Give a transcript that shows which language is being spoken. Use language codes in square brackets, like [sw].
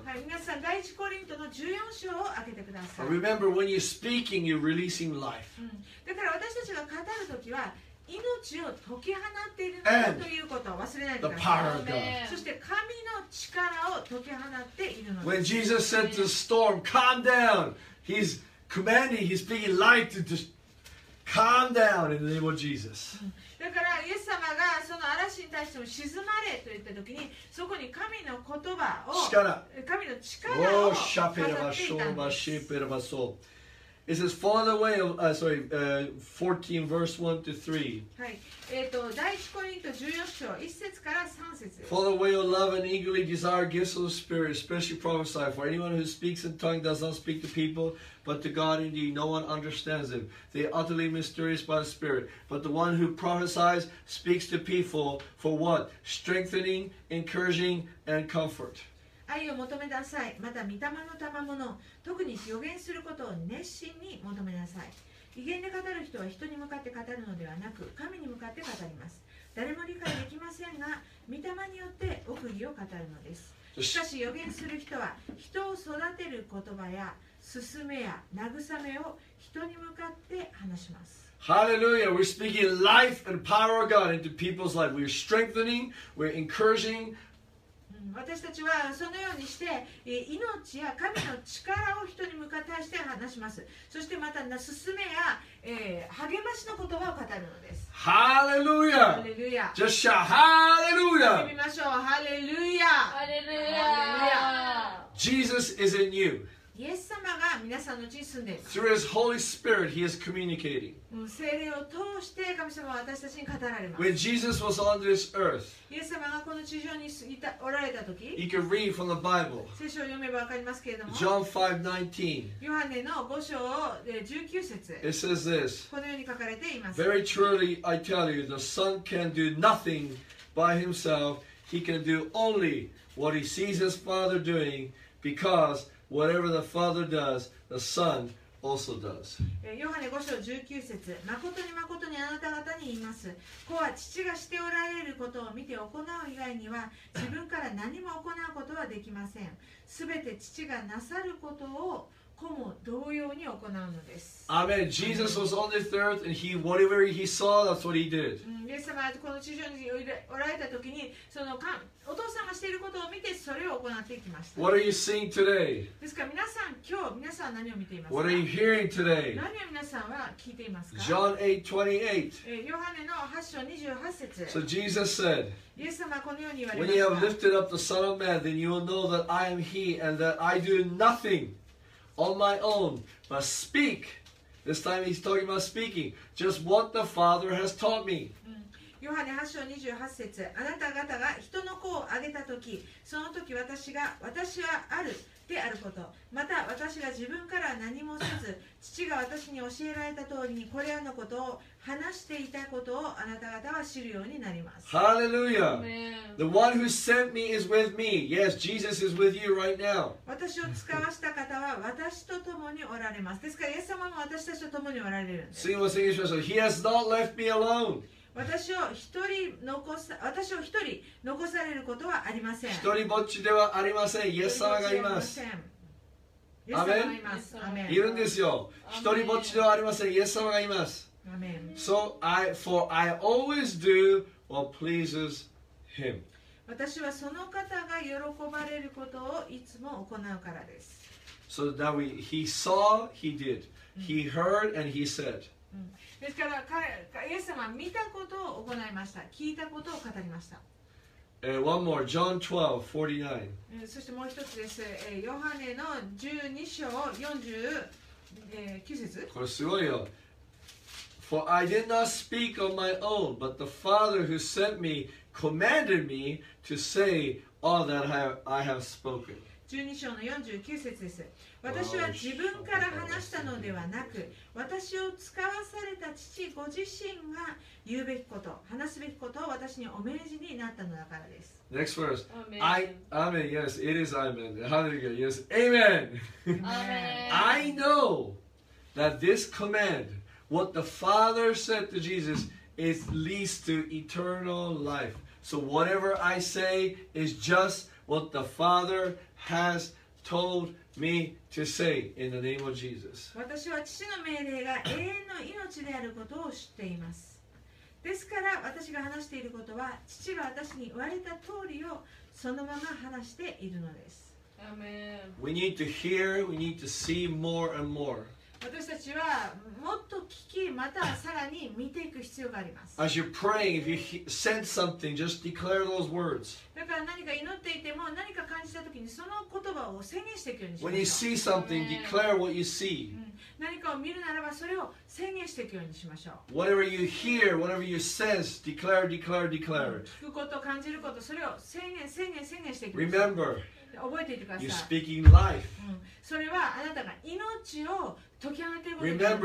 [ja] はい、皆さん第一コリントの14章を開けてください。 [en] Remember, when you're speaking, you're releasing life. [ja] だから私たちが語るときは命を解き放っているんだということを忘れないでください。 [en] And the power of God. [ja] そして神の力を解き放っているのです。 [en] When Jesus said to the storm, calm down, he'sCommanding, he's speaking life to just calm down in the name of Jesus. [ja] だからイエス様がその嵐に対しても静まれと言った時に、そこに神の言葉を、神の力を語っていたんです。 [en] Oh, shepherd of my soul, my shepherd of my soul. It says, "Fall away." Sorry, 14 verse 1 to 3. [ja] はい。第1コリント14章1節から3節。 [en] Follow away your love and eagerly desire gifts of the Spirit, especially prophesy. For anyone who speaks in tongue does not speak to people, but to God indeed, no one understands him. They are utterly mysterious by the Spirit. But the one who prophesies speaks to people for what? Strengthening, encouraging, and comfort. [ja] 愛を求めなさい。また御霊の賜物、特に予言することを熱心に求めなさい。異言で語る人は人に向かって語るのではなく、神に向かって語ります。誰も理解できませんが、御霊によって奥義を語るのです。しかし予言する人は、人を育てる言葉や勧めや慰めを人に向かって話します。 [en] Hallelujah! We're speaking life and power of God into people's life. We're strengthening, we're encouraging. [ja] 私たちはそのようにして、命や神の力を人に向かって対して話します。そしてまた、勧めや、励ましの言葉を語るのです。 [en] Hallelujah! Hallelujah! Just shout Hallelujah! [ja] 見ましょう。 [en] Hallelujah! Hallelujah! Jesus is in you. [ja] イエス様が皆さんのうちに住んでいます。 [en] Through his Holy Spirit, he is communicating. [ja] 聖霊を通して神様は私たちに語られます。 [en] When Jesus was on this earth, [ja] イエス様がこの地上にいたおられた時、 [en] you can read from the Bible. [ja] 聖書を読めば分かりますけれども、 [en] John 5:19, [ja] ヨハネの5章19節、 [en] it says this, [ja] このように書かれています。 [en] Very truly I tell you, the Son can do nothing by himself. He can do only what he sees his Father doing, becauseWhatever the Father does, the Son also does. [ja] ヨハネ5章19節、まことにまことにあなた方に言います。子は父がしておられることを見て行う以外には、自分から何も行うことはできません。すべて父がなさることを子も同様に行うのです。 [en] Amen. Jesus was on this earth and he, whatever he saw, that's what he did. [ja] イエス様はこの地上におられた時に、その神、お父さんがしていることを見てそれを行っていきました。 [en] What are you seeing today? [ja] ですから皆さん、今日皆さんは何を見ていますか? [en] What are you hearing today? [ja] 何を皆さんは聞いていますか? [en] John 8:28. [ja] ヨハネの8章28節。 [en] So Jesus said, [ja] イエス様はこのように言われました。 [en] When you have lifted up the Son of Man, then you will know that I am he and that I do nothing. On my own, but speak. This time he's talking about speaking. Just what the Father has taught me. [ja] ヨハネ8章28節、あなた方が人の子をあげたとき、そのとき私はあるであること、また私が自分から何もせず父が私に教えられた通りにこれらのことを話していたことをあなた方は知るようになります。ハレルヤ。 [en] The one who sent me is with me. Yes, Jesus is with you right now. [ja] 私を使わした方は私と共におられます。ですからイエス様も私たちと共におられるんです。すいません、言いましょう。 [en] He has not left me alone. [ja] 私を一人残されることはありません。一人ぼっちではありません。イエス様がいます。アメン。いるんですよ。一人ぼっちではありません。イエス様がいます。アメン。 [en] So I, for I always do what pleases him. [ja] 私はその方が喜ばれることをいつも行うからです。 [en] So that we, he saw, he did. He heard and he said. [ja] ですから彼、イエス様は見たことを行いました。聞いたことを語りました。 [en] One more, John 12:49. [ja] そしてもう一つです。ヨハネの12章49節。これすごいよ。 [en] For I did not speak on my own, but the Father who sent me commanded me to say all that I have spoken. [ja] 12章の49節です。私は自分から話したのではなく、私を使わされた父ご自身が言うべきこと、話すべきことを私にお命じになったのだからです。 [en] Next verse. Amen. Yes, it is Amen. Hallelujah. Yes. Amen. I know that this command, what the Father said to Jesus, is leads to eternal life. So whatever I say is just what the Father has told me to say in the name of Jesus. [ja] 私は父の命令が永遠の命であることを知っています。ですから私が話していることは、父は私に言われた通りをそのまま話しているのです。 [en] We need to hear, we need to see more and more. [ja] 私たちはもっと聞き、またさらに見ていく必要があります。 [en] As you're praying, if you sense something, just declare those words. [ja] だから何か祈っていても、何か感じたときにその言葉を宣言していくようにしまし [en] When you see something, declare what you see.、 [ja] うん、何かを見るならば、それを宣言していくようにしましょう。 [en] Whatever you hear, whatever you sense, declare, declare, declare.、うん、 [ja] 聞くこと、感じること、それを宣言、宣言、宣言していく。 [en] Remember, [ja] 覚えていてください。 [en] You're speaking life.、 [ja] うん、それはあなたが命を解き放っていることです。